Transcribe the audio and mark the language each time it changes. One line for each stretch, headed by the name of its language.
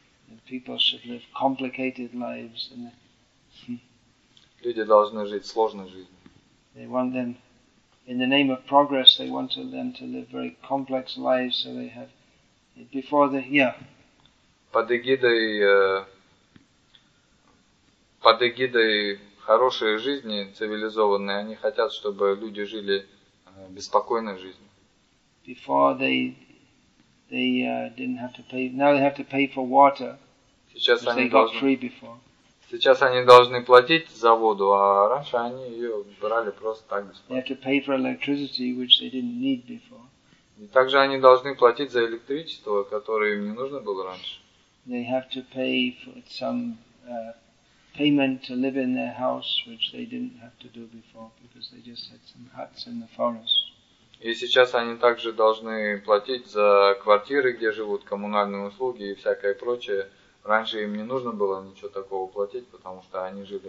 English: And people should live complicated lives. And
Russian: люди должны жить сложной жизнью.
English: They want them, in the name of progress, they want them to live very complex lives, so they have, before the, yeah.
Russian: Под эгидой хорошей жизни, цивилизованной, они хотят, чтобы люди жили беспокойной жизнью.
English: Before they didn't have to pay, now they have to pay for water,
Russian: сейчас
English: which they got free before.
Russian: Сейчас они должны платить за воду, а раньше они ее брали просто так бесплатно.
English: They have to pay for electricity, which they didn't need before.
Russian: И также они должны платить за электричество, которое им не нужно было раньше.
English: They have to pay for some payment to live in their house, which they didn't have to do before, because they just had some huts in the forest.
Russian: И сейчас они также должны платить за квартиры, где живут, коммунальные услуги и всякое прочее. Раньше им не нужно было ничего такого платить, потому что они жили